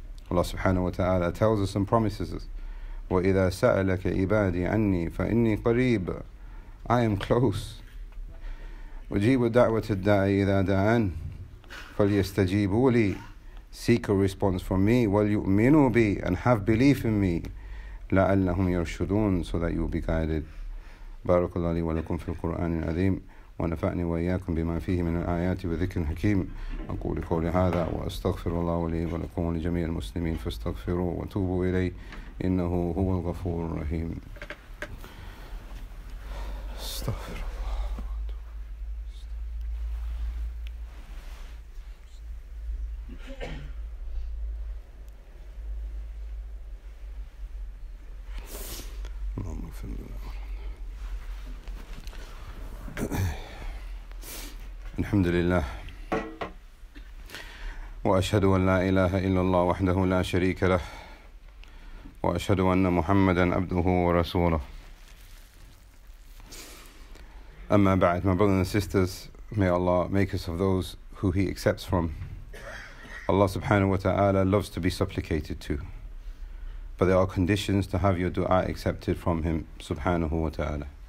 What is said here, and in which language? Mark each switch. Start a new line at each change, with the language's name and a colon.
English: Allah subhanahu wa ta'ala tells us and promises us,
Arabic: وَإِذَا سَأَلَكَ عِبَادِي عَنِّي فَإِنِّي قَرِيبٌ.
English: I am close.
Arabic: وَجِيبُ دَعْوَةِ الدَّاعِ إِذَا دَعَانِ فَلْيَسْتَجِيبُوا لِي.
English: Seek a response from me.
Arabic: وَلْيُؤْمِنُوا بِي.
English: And have belief in me.
Arabic: لَعَلَّهُمْ يَرْشُدُونَ.
English: So that you will be guided.
Arabic: بارك الله لي ولكم في القرآن العظيم ونفعني وإياكم بما فيه من الآيات وذكر حكيم. أقول قولي هذا وأستغفر الله لي ولكم ولجميع المسلمين فاستغفروا وتوبوا إليه إنه هو الغفور الرحيم. استغفر الله. الحمد لله وأشهد أن لا إله إلا الله وحده لا شريك له وأشهد أن محمدًا عبده ورسوله. أما بعد,
English: my brothers and sisters, may Allah make us of those who He accepts from. Allah subhanahu wa ta'ala loves to be supplicated to, but there are conditions to have your dua accepted from Him subhanahu wa ta'ala.